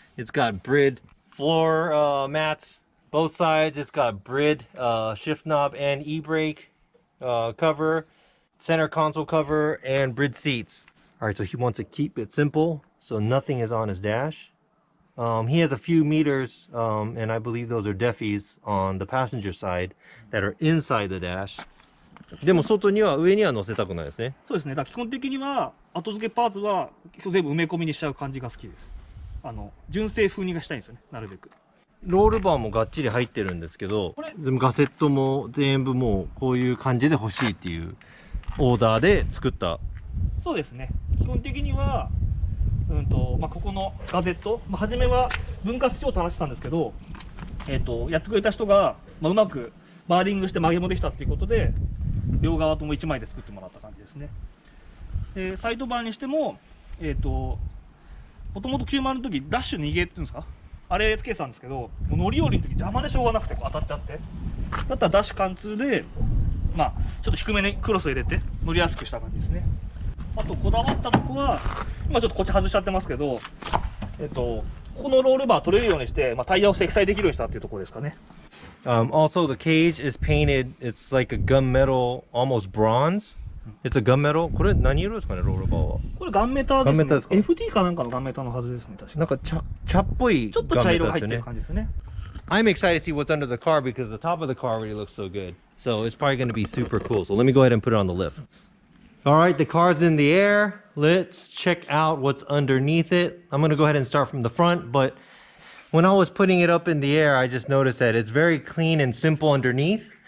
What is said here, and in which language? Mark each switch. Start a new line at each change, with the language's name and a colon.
English: It's got Brid floor, mats. Both sides, it's got Brid, shift knob and e-brake, cover, center console cover, and Brid seats. Alright, so he wants to keep it simple, so nothing is on his dash. He has a few meters, and I believe those are defies on the passenger side that are inside the dash.
Japanese: でも外には上には乗せたくないですね。そうですね。だから基本的には後付けパーツは全部埋め込みにしちゃう感じが好きです。あの、純正風にがしたいんですよね、なるべく。ロールバーもがっちり入ってるんですけど、でもガセットも全部もうこういう感じで欲しいっていうオーダーで作った。そうですね。基本的には、まあ、ここのガセット、まあ、初めは分割帳を垂らしたんですけど、やってくれた人が、まあ、うまくバーリングして曲げもできたっていうことで、両側とも1枚で作ってもらった感じですね。でサイドバーにしても、もともと90の時ダッシュ逃げっていうんですか、あれつけてたんですけど、もう乗り降りの時邪魔でしょうがなくて当たっちゃって、だったらダッシュ貫通で、まあちょっと低めにクロス入れて乗りやすくした感じですね。あとこだわったとこは、今ちょっとこっち外しちゃってますけど、このロールバー取れるようにして、まあ、タイヤを積載できるようにしたっていうところですかね。
English: Also the cage is painted, it's like a gunmetal, almost bronze. It's a gunmetal.
Japanese: これ何色ですかね、ロールバーは。これガンメーターですね。ガンメーターですか？ FD かなんかのガンメーターのはずですね、確かに。なんか茶っぽいガンメーターですね。ちょっと茶色入ってる感じですね。
English: I'm excited to see what's under the car because the top of the car really looks so good. So it's probably going to be super cool. So let me go ahead and put it on the lift. All right, the car's in the air. Let's check out what's underneath it. I'm going to go ahead and start from the front. But when I was putting it up in the air, I just noticed that it's very clean and simple underneath.